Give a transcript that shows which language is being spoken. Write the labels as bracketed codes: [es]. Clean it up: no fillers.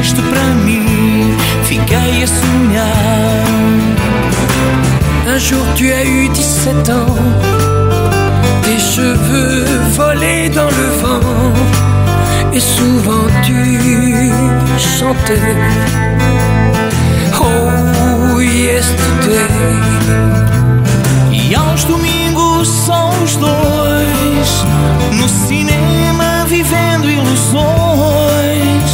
[pt] Para mim, fiquei a sonhar. [fr] Un jour tu as eu 17 ans, tes cheveux volaient dans le vent, et souvent tu chantais [en] oh yesterday. [pt] E aos domingos são os dois no cinema vivendo ilusões.